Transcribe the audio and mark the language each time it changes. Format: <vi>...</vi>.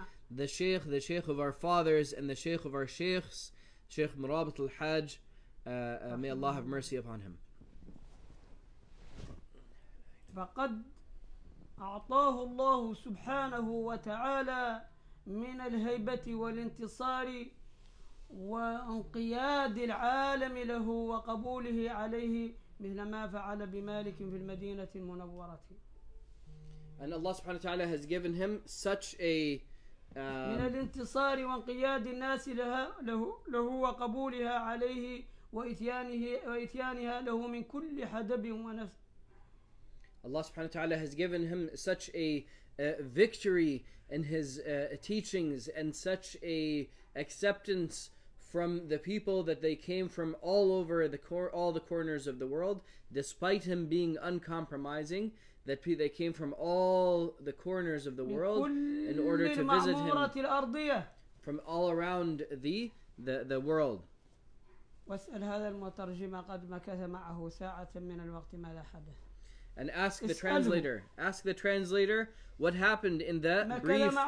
<en>The sheikh of our fathers and the sheikh of our sheikhs, Sheikh Murabit al-Hajj, may Allah have mercy upon him.</en> <ar>فقد أعطاه الله سبحانه وتعالى من الهيبة والانتصار وانقياد العالم له وقبوله عليه مثل ما فعل بمالك في المدينة المنورة.</ar> <en>And Allah</en> <ar>سبحانه وتعالى</ar> <en>has given him such a</en> <ar>من الانتصار وانقياد الناس لها له وقبولها عليه وإتيانها له من كل حدب ونفس.</ar> <en>Allah</en> <ar>سبحانه وتعالى</ar> <en>has given him such a victory in his teachings and such a acceptance from the people that they came from all over the all the corners of the world, despite him being uncompromising, that they came from all the corners of the world in order to visit him from all around the world.</en> <ar>واسأل هذا المترجم قد مكث معه ساعة من الوقت ما لا حد.</ar> <en>And ask the translator. Ask the translator what happened in the brief.</en>